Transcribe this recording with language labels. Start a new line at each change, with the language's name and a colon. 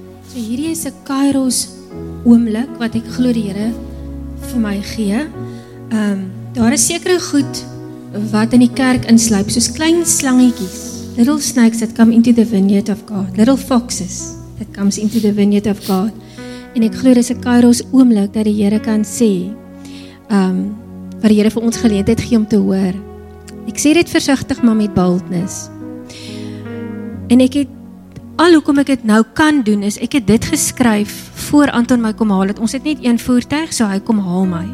Afrikaans: So hierdie is 'n Kairos oomblik wat ek glo die Here vir my gee. Daar is sekere goed wat in die kerk insluip, soos klein slangetjies.
English: Little snakes that come into the vineyard of God. Little foxes that comes into the vineyard of God.
Afrikaans: En ek glo dis 'n Kairos oomblik dat die Here kan sê, wat die Here vir ons geleentheid gee om te hoor. Ek sê dit versigtig maar met boldness. En ek het, al hoekom ek dit nou kan doen, is ek het dit geskryf voor Anton my kom haal, dat ons het net een voertuig, so hy kom haal my.